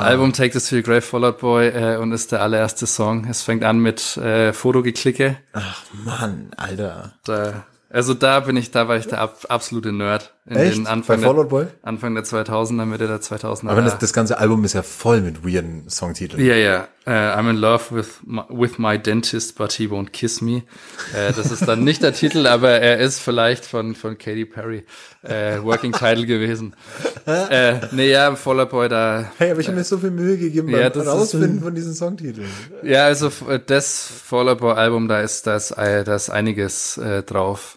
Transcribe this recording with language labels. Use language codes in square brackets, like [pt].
[de] Album Take This To Your Grave, Fall Out Boy, und ist der allererste Song. Es fängt an mit Fotogeklicke. Ach Mann, Alter. Da war ich der absolute Nerd. Bei Fall Out Boy? Anfang der 2000er, Mitte der 2000er. Aber das ganze Album ist ja voll mit weirden Songtiteln. Ja, ja. [en] I'm in love with my dentist, but he won't kiss me. [de] Das ist dann nicht der Titel, aber er ist vielleicht von Katy Perry Working Title gewesen. Fall Out Boy da. Hey, aber ich habe mir so viel Mühe gegeben beim Rausfinden von diesen Songtiteln. Ja, also das Fall Out Boy Album, da ist einiges drauf.